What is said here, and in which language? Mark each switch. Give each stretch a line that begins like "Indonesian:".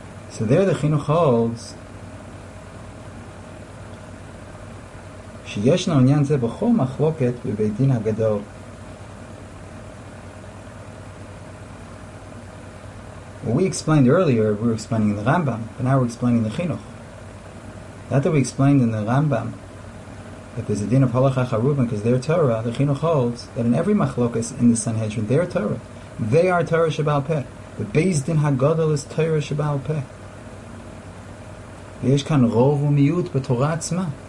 English: So there the Chinuch holds,
Hebrew: שישנו עניין זה בכל מחלוקת בבית דין הגדול.
English: What we explained earlier, we were explaining in the Rambam, but now we're explaining in the Chinuch. That we explained in the Rambam, that there's a din of Halach HaRuban, because their Torah, the Chinuch holds, that in every machlokas in the Sanhedrin, their Torah, they are Torah Shebaal Peh. The Beis Din HaGadol is Torah Shebaal Peh.
Hebrew: ויש כאן רוב ומיעוט בתורה עצמה.